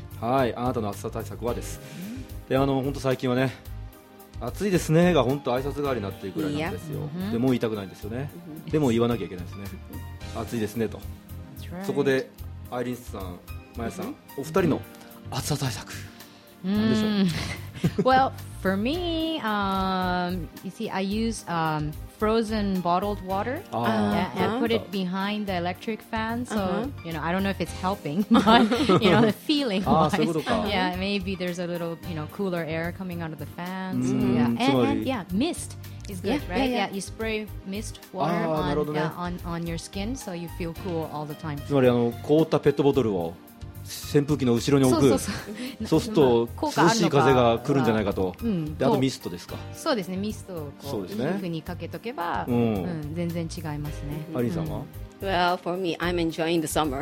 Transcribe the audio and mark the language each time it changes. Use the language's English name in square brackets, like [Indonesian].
[Japanese] はい、あなたの暑さ対策はです。で、本当最近はね、暑いですねが本当挨拶代わりになっていくらいなんですよ。でも言いたくないんですよね。でも言わなきゃいけないですね。暑いですねと、 [English] right. [Japanese] そこでアイリンさん、マヤさん、お二人の暑さ対策、何でしょう。 [English] Well, For me, you see, I use frozen bottled water. And put it behind the electric fan. So, you know, I don't know if it's helping, but, you know, the feeling wise. Yeah, maybe there's a little, you know, cooler air coming out of the fan. So, yeah. And mist. It's good, yeah, right? Yeah, you spray mist water on your skin, so you feel cool all the time. [Japanese] つまり、あの、凍ったペットボトルを扇風機の後ろに置く。そうすると、涼しい風が来るんじゃないかと。で、あとミストですか。そうですね、ミストをこう、皮膚にかけとけば、全然違いますね。アリンさんは？ [English] Well, for me, I'm enjoying the summer.